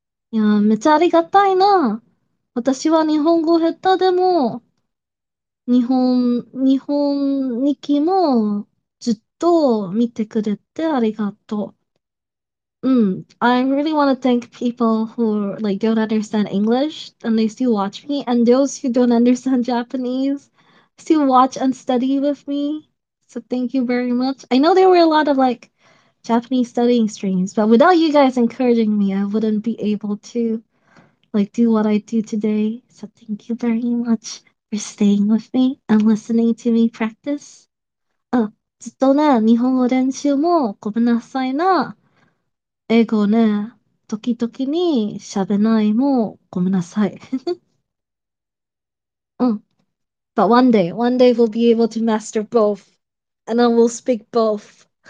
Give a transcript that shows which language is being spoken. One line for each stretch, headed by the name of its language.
Japanese: いや、めっちゃありがたいな。私は日本語下手でも、日本日記もずっと見てくれてありがとう。
English: I really want to thank people who like don't understand English and they still watch me, and those who don't understand Japanese still watch and study with me. So thank you very much. I know there were a lot of like Japanese studying streams, but without you guys encouraging me, I wouldn't be able to like do what I do today. So thank you very much for staying with me and listening to me practice.
Japanese: ずっとね、日本語練習もごめんなさいな。英語ね、時々に喋ないもごめんなさい。
English: But one day we'll be able to master both and then we'll speak both.